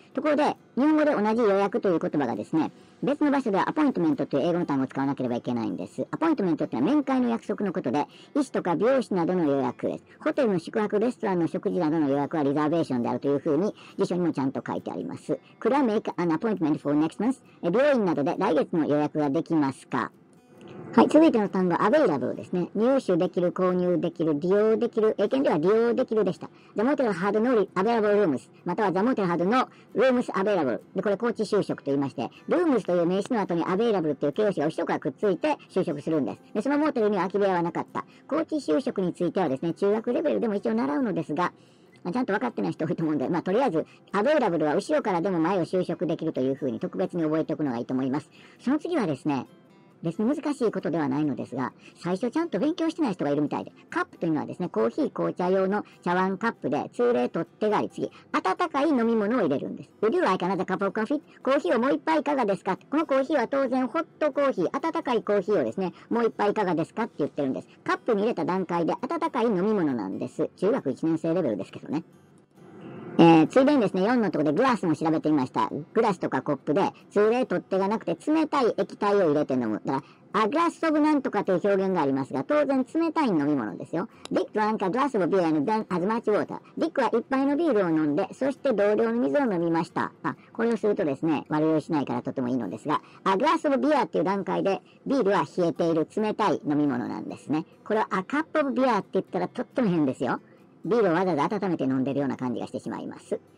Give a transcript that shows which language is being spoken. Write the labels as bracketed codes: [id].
[ja] ところで、日本語で同じ予約という言葉がですね、別の場所では appointment という英語の単語を使わなければいけないんです。 appointment というのは面会の約束のことで、医師とか美容師などの予約です。ホテルの宿泊、レストランの食事などの予約はリザーベーションであるというふうに、辞書にもちゃんと書いてあります。 [en] Could I make an appointment for next month? [ja] 病院などで来月の予約ができますか？はい、続いての単語、available ですね。入手できる、購入できる、利用できる、英検では利用できるでした。 [en] The motel had no available rooms, または The motel had no rooms available. [ja] で、これ、高知就職と言いまして、rooms という名詞の後に available という形容詞が後ろからくっついて就職するんです。で、そのモーテルには空き部屋はなかった。高知就職についてはですね、中学レベルでも一応習うのですが、ちゃんと分かってない人多いと思うんで、まあ、とりあえず、アベイラブルは後ろからでも前を就職できるというふうに特別に覚えておくのがいいと思います。その次はですね、別に難しいことではないのですが、最初ちゃんと勉強してない人がいるみたいで、カップというのはですね、コーヒー、紅茶用の茶碗カップで、通例取ってがあり、次、温かい飲み物を入れるんです。 [en] Would you like another cup of coffee? [ja] コーヒーをもう一杯いかがですか？このコーヒーは当然、ホットコーヒー、温かいコーヒーをですね、もう一杯いかがですかって言ってるんです。カップに入れた段階で、温かい飲み物なんです。中学1年生レベルですけどね。ついでにですね、4のところでグラスも調べてみました。グラスとかコップで、通例取っ手がなくて冷たい液体を入れて飲む。だから、グラスオブなんとかという表現がありますが、当然冷たい飲み物ですよ。 [en] Dick drank a glass of beer and then as much water. [ja] Dick は一杯のビールを飲んで、そして同量の水を飲みました。あ、これをするとですね、悪酔いしないからとてもいいのですが、グラスオブビアっていう段階で、ビールは冷えている冷たい飲み物なんですね。これは、カップオブビアって言ったらとっても変ですよ。ビールをわざわざ温めて飲んでるような感じがしてしまいます。